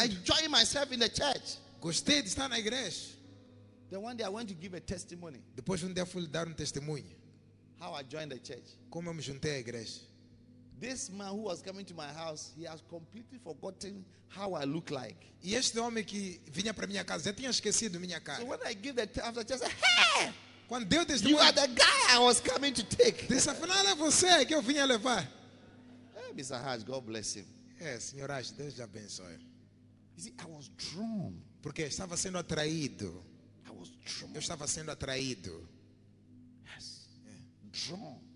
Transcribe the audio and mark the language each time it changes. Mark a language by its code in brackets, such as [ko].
[en] I enjoyed myself in the church. [pt] Gostei de estar na igreja. [en] Then one day I went to give a testimony. [pt] Depois um dia fui dar um testemunho. [en] How I joined the church. [pt] Como eu me juntei à igreja. [en] This man who was coming to my house, he has completely forgotten how I look like. [pt] E este homem que vinha para minha casa, já tinha esquecido minha cara. [en] So when I give the after church, I said, hey! [pt] Quando deu testemunho, [en] you are the guy I was coming to take. [pt] Disse, afinal é você que eu vinha levar. [en] Mr. Hodge, God bless him. [pt] Yes, Senhor Hodge, Deus te abençoe. [en] You see, I was drawn. [pt] Porque estava sendo atraído. [en] I was drawn. [pt] Eu estava sendo atraído. [en] Yes. Yeah. Drawn.